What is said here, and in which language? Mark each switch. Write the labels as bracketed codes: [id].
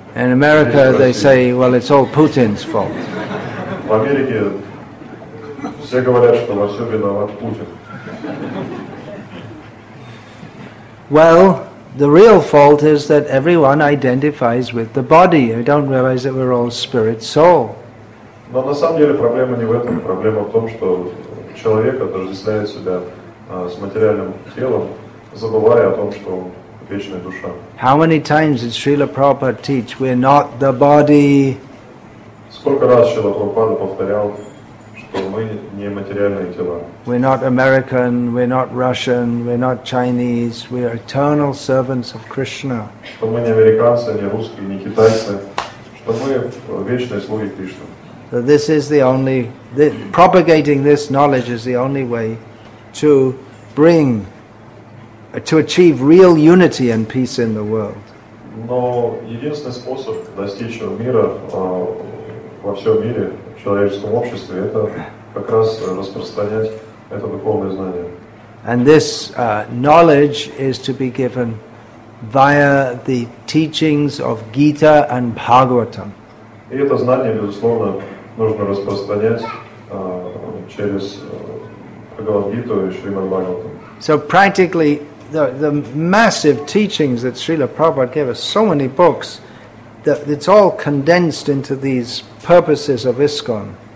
[en] In America, they say, well, it's all Putin's fault. [ru] В Америке все говорят, что во всем виноват Путин. [en] Well, the real fault is that everyone identifies with the body. We don't realize that we're all spirit-soul. [ru] Но на самом деле проблема не в этом. Проблема в том, что человек отождествляет себя с материальным телом, забывая о том, что он вечная душа. [en] How many times did Srila Prabhupada teach, we're not the body? [ru] Сколько раз Шрила Прабхупада повторял, что мы не материальные тела? [en] We're not American, we're not Russian, we're not Chinese, we are eternal servants of Krishna. [ru] Что мы не американцы, не русские, не китайцы, что мы вечные слуги Кришны. [en] So this is the only, propagating this knowledge is the only way to bring, to achieve real unity and peace in the world. [ru] Но единственный способ достичь мира во всем мире, в человеческом обществе, это как раз распространять это духовное знание. [en] And this knowledge is to be given via the teachings of Gita and Bhagavatam. [ru] И это знание, безусловно, нужно распространять через Бхагавад-гиту и Шримад-Бхагаватам. [en] So practically the massive teachings that Srila Prabhupada gave us, so many books, that it's all condensed into these purposes of ISKCON.